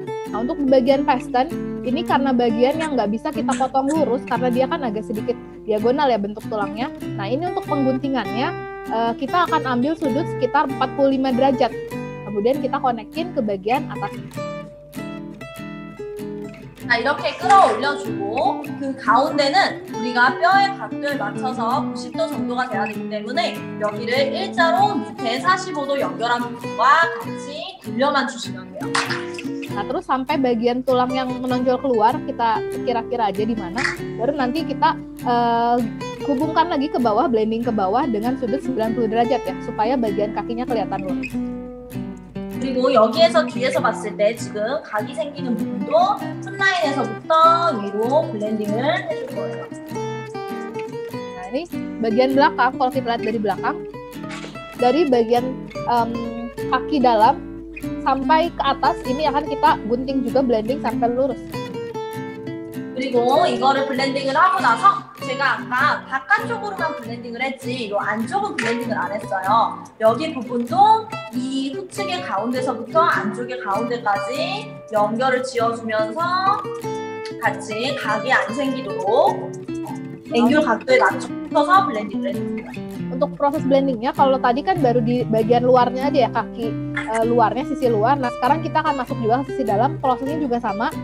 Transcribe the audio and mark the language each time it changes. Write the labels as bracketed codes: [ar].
[id] Nah, untuk bagian piston, ini karena bagian yang nggak bisa kita potong lurus, karena dia kan agak sedikit diagonal ya bentuk tulangnya. Nah, ini untuk pengguntingannya, kita akan ambil sudut sekitar 45 derajat. Kemudian kita konekin ke bagian atas. [ko] Nah, 이렇게 끌어올려주고 그 가운데는 우리가 뼈의 각도를 맞춰서 90도 정도가 돼야 되기 때문에 여기를 일자로 밑에 45도 연결한 부분과 같이 돌려만 주시면 돼요. [id] Nah, terus sampai bagian tulang yang menonjol keluar kita kira-kira aja di mana, baru nanti kita hubungkan lagi ke bawah, blending ke bawah dengan sudut 90 derajat ya, supaya bagian kakinya kelihatan lurus. [ko] 그리고 여기에서 뒤에서 봤을 때 지금 각이 생기는 부분도 풋라인에서부터 위로 블렌딩을 해줄 거예요. 자, 이 [id] bagian belakang, kalau kita lihat dari belakang, dari bagian kaki dalam sampai ke atas ini akan kita gunting juga blending sampai lurus. [ko] 그리고 이거를 블렌딩을 하고 나서 제가 아까 바깥쪽으로만 블렌딩을 했지 이 안쪽은 블렌딩을 안 했어요. 여기 부분도 이 후측의 가운데서부터 안쪽의 가운데까지 연결을 지어주면서 같이 각이 안 생기도록 앵귤 각도에 맞춰서 블렌딩을 해줍니다. [id] Untuk proses blendingnya, kalau tadi kan baru di bagian luarnya aja ya, kaki luarnya, sisi luar. Nah, sekarang kita akan masuk juga ke sisi dalam, prosesnya juga sama.